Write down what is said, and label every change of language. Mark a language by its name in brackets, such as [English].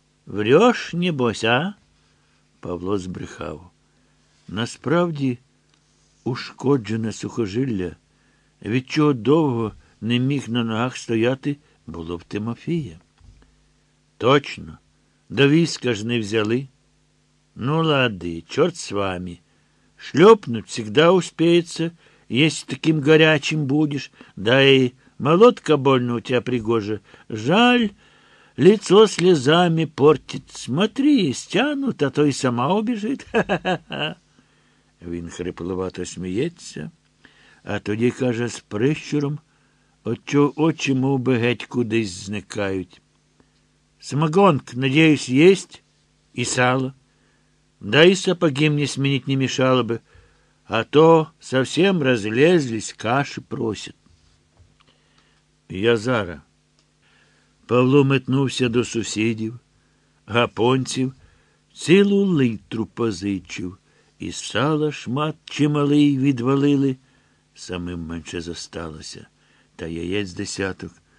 [Russian] «Врєш, нібось, а?» [Ukrainian] Павло збрехав. Насправді ушкоджене сухожилля, від чого довго не міг на ногах стояти, було в Тимофія. «Точно, до війська ж не взяли». [Russian] «Ну, лади, чорт з вами. Шльопнуть, всегда успеется, если таким горячим будешь. Да и молотка больно у тебя пригожа. Жаль, лицо слезами портит. Смотри, стянут, а то и сама убежит». Ха-ха-ха-ха. [Ukrainian] Він хрипловато сміється, а тоді каже з прищуром, отчо очі, мов би, геть кудись зникають: [Russian] «Самогонк, надіюсь, єсть? [Ukrainian] І сало? [Russian] Да и сапоги мне сменить не мешало бы, а то совсем разлезлись, каши просят». [Ukrainian] «Я зара». Павло метнувся до сусідів, гапонців, цілу литру позичив, і сала шмат чималий відвалили, самим менше зосталося, та яєць десяток.